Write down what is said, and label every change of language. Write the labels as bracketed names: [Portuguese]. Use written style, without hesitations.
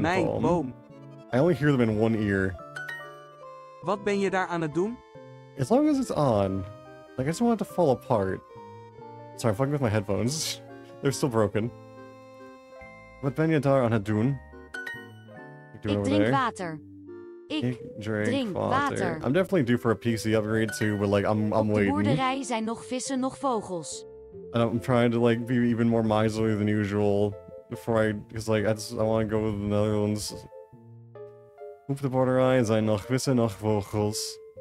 [English] boom. I only hear them in one ear. [Dutch] Wat ben je daar aan het doen? [English] As long as it's on. Like, I just want it to fall apart. Sorry, I'm fucking with my headphones. They're still broken. [Dutch] Wat ben je daar aan het doen? Ik drink water. [English] I'm definitely due for a PC upgrade too, but like, I'm waiting. [Dutch] Op de boerderij zijn nog vissen, nog vogels. [English] And I'm trying to like, be even more miserly than usual. Because I want to go to the Netherlands. [Dutch] Op de boerderij zijn nog vissen, nog vogels.